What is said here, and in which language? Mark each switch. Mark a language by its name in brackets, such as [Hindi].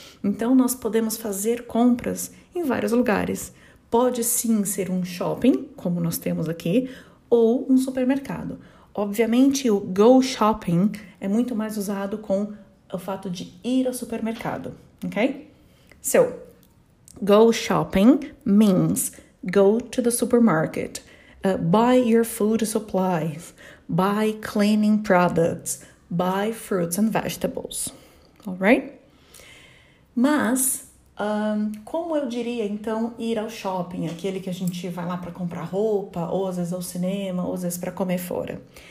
[Portuguese] Então, nós podemos fazer compras em vários lugares. Pode sim ser um shopping, como nós temos aqui, ou um supermercado. Obviamente, o go shopping é muito mais usado com o fato de ir ao supermercado, ok? [English] So, go shopping means go to the supermarket, buy your food supplies, buy cleaning products, buy fruits and vegetables. All right? [Portuguese] Mas, como eu diria, então, ir ao shopping, aquele que a gente vai lá para comprar roupa, ou às vezes ao cinema, ou às vezes para comer fora?